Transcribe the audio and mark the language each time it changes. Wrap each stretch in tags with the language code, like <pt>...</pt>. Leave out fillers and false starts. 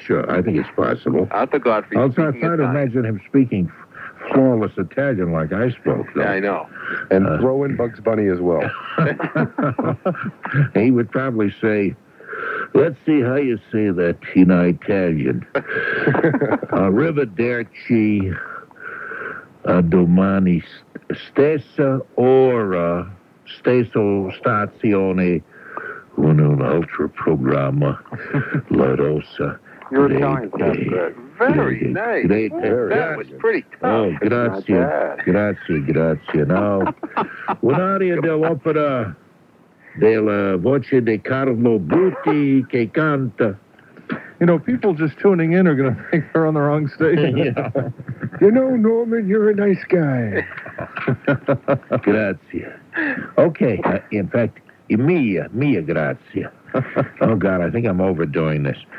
<en>Sure, I think it's possible. Arthur Godfrey. I'll try to imagine him speaking flawless Italian like I spoke, though. Yeah, I know. And throw in Bugs Bunny as well. He would probably say, let's see how you say that in Italian.</en> <it>Arrivederci a domani, stessa ora, stesso stazione, un altro programma, La Rossa.</it> <en>Your Italian sounds good. Very nice. Great. That was pretty tough. Oh,</en> <it>grazie. Grazie.</it> <en>Now,</en> <it>un'aria dell'opera della voce di Carlo Butti che canta.</it> <en>You know, people just tuning in are going to think they're on the wrong station. You know, Norman, you're a nice guy.</en> <it>Grazie.</it> <en>Okay. In fact,</en> <it>mia grazie.</it> <en>Oh, God, I think I'm overdoing this.</en>